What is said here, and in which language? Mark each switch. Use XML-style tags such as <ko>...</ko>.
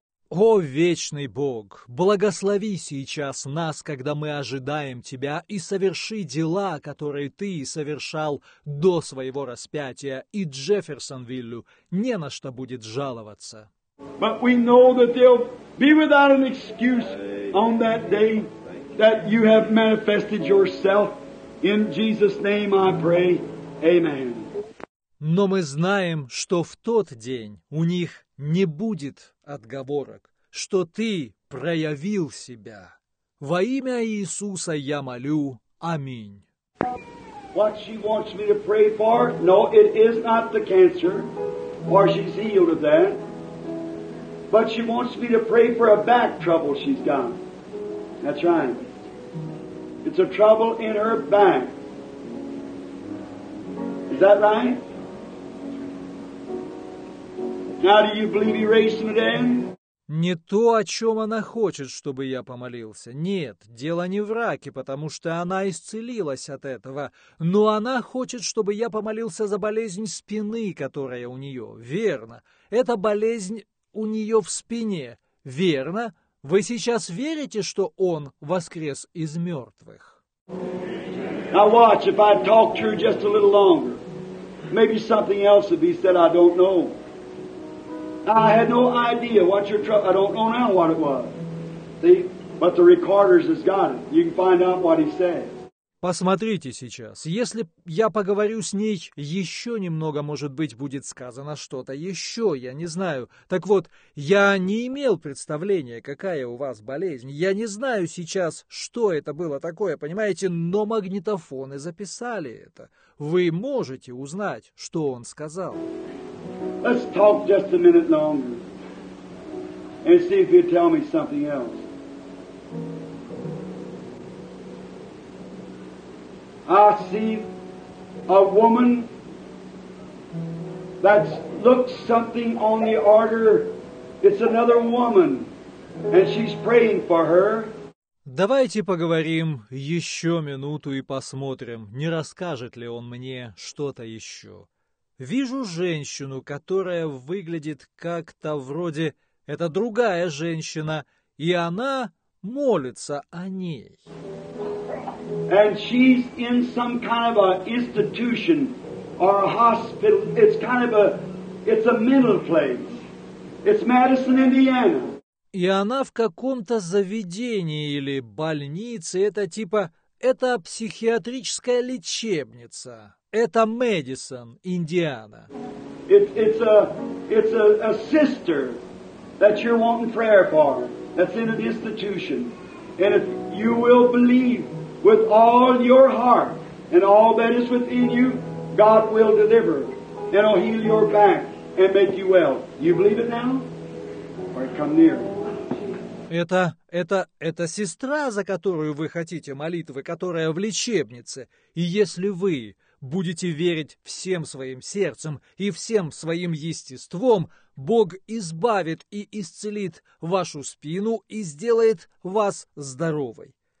<ru>О, вечный Бог, благослови сейчас нас, когда мы ожидаем Тебя, и соверши дела, которые Ты совершал до Своего распятия, и Джефферсонвиллю не на что будет жаловаться.</ru> <en>But we know that they'll be without an excuse on that day that You have manifested Yourself. In Jesus' name I pray. Amen.</en> <ru>Но мы знаем, что в тот день у них не будет отговорок, что Ты проявил Себя. Во имя Иисуса я молю. Аминь.</ru> <en>What she wants me to pray for? No, it is not the cancer, for she's healed of that. But she wants me to pray for a back trouble she's got. That's right. It's a trouble in her back. Is that right? Now, do you believe He raised him again?</en> <ru>Не то, о чем она хочет, чтобы я помолился. Нет, дело не в раке, потому что она исцелилась от этого. Но она хочет, чтобы я помолился за болезнь спины, которая у нее. Верно. Это болезнь у нее в спине. Верно. Вы сейчас верите, что Он воскрес из мертвых?</ru> <en>Now watch, if I talk to her just a little longer, maybe something else would be said I don't know. I had no idea what your trouble, I don't know now what it was. See, but the recorders has got it. You can find out what he said.</en> <ru>Посмотрите сейчас. Если я поговорю с ней еще немного, может быть, будет сказано что-то еще, я не знаю. Так вот, я не имел представления, какая у вас болезнь. Я не знаю сейчас, что это было такое, понимаете, но магнитофоны записали это. Вы можете узнать, что он сказал.</ru> <en>Let's talk just a minute longer and see if you'll tell me something else. I see a woman that looks something on the order. It's another woman, and she's praying for her.</en> <ru>Давайте поговорим еще минуту и посмотрим, не расскажет ли он мне что-то еще. Вижу женщину, которая выглядит как-то вроде... Это другая женщина, и она молится о ней.</ru> <en>And she's in some kind of a institution or a hospital. It's kind of a, it's a mental place. It's Madison, Indiana.</en> <ru>И она в каком-то заведении или больнице. Это типа, это психиатрическая лечебница. Это Madison, Indiana.</ru> <en>It's a sister that you're wanting prayer for. That's in an institution, and if you will believe. With all your heart and all that is within you, God will deliver. And He'll heal your back and make you well. You believe it now? Or come near.</en> <ru>Это сестра, за которую вы хотите молитвы, которая в лечебнице. И если вы будете верить всем своим сердцем и всем своим естеством, Бог избавит и исцелит вашу спину и сделает вас здоровой.</ru>